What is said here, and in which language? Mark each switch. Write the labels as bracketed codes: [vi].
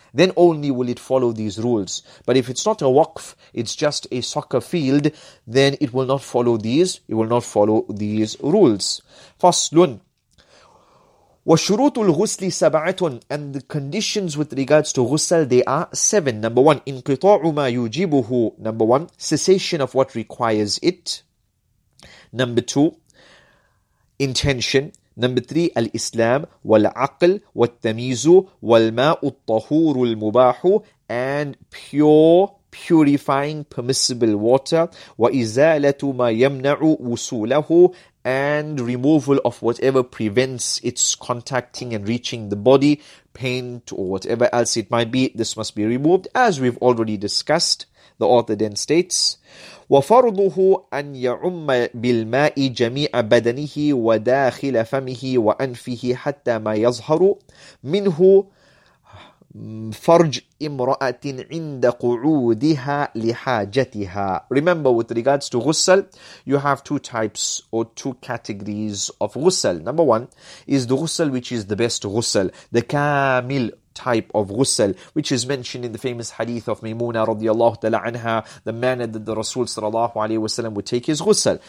[en] Then only will it follow these rules. But if it's not a waqf, it's just a soccer field, then it will not follow these. It will not follow these rules. [ar] Faslun. وَشُرُوطُ الْغُسْلِ سَبْعَةٌ. [en] And the conditions with regards to ghusl, they are seven. Number one, [ar] انْقِطَاعُ مَا يُجِبُهُ. [en] Number one, cessation of what requires it. Number two, intention. Number three, [ar] al-Islam, wal-aql, wal-tamizu, wal-ma'u al-tahuru al-mubahu, [en] and pure, purifying, permissible water, [ar] wa-izalatu ma yamna'u wusulahu, [en] and removal of whatever prevents its contacting and reaching the body, paint or whatever else it might be, this must be removed, as we've already discussed. The author then states, [ar] وَفَرْضُهُ أَنْ يَعُمَّ بِالْمَاءِ جَمِيعَ بَدَنِهِ وَدَاخِلَ فَمِهِ وَأَنْفِهِ حَتَّى مَا يَظْهَرُ مِنْهُ فَرْجْ إِمْرَأَةٍ عِنْدَ قُعُودِهَا لِحَاجَتِهَا. [en] Remember, with regards to ghusl, you have two types or two categories of ghusl. Number one is the ghusl which is the best ghusl, the kamil type of ghusl, which is mentioned in the famous hadith of Maymuna radiallahu ta'ala anha, the manner that the Rasul sallallahu alayhi wasallam would take his ghusl.